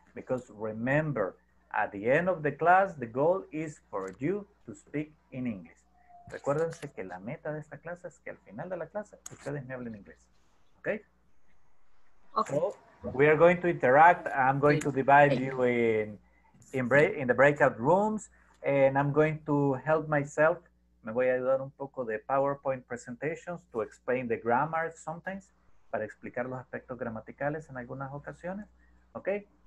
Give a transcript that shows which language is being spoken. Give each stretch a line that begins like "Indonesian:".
English: Because remember, at the end of the class, the goal is for you to speak in English.
Spanish: Recuérdense que la meta de esta clase es que al final de la clase, ustedes me hablen inglés, okay?
English: Okay. So, we are going to interact. I'm going to divide you in the breakout rooms, and I'm going to help myself.
Spanish: Me voy a ayudar un poco de
English: PowerPoint presentations to explain the grammar sometimes,
Spanish: para explicar los aspectos gramaticales en algunas ocasiones, okay?